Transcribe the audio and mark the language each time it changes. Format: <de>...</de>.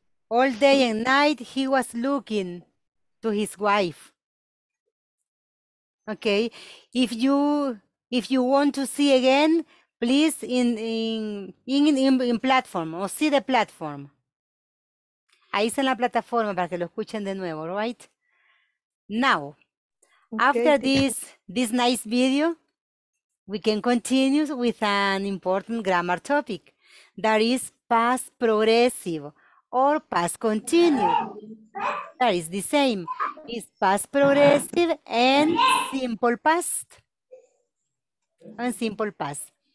<en>All day and night, he was looking to his wife. Okay, if you want to see again, please in platform or see the platform.</en> <es>Ahí está en la plataforma para que lo escuchen de nuevo, right?</es> <en>Now, okay, after this nice video, we can continue with an important grammar topic, that is past progressive or past continuous. That is the same. It's past progressive and simple past. And simple past.</en>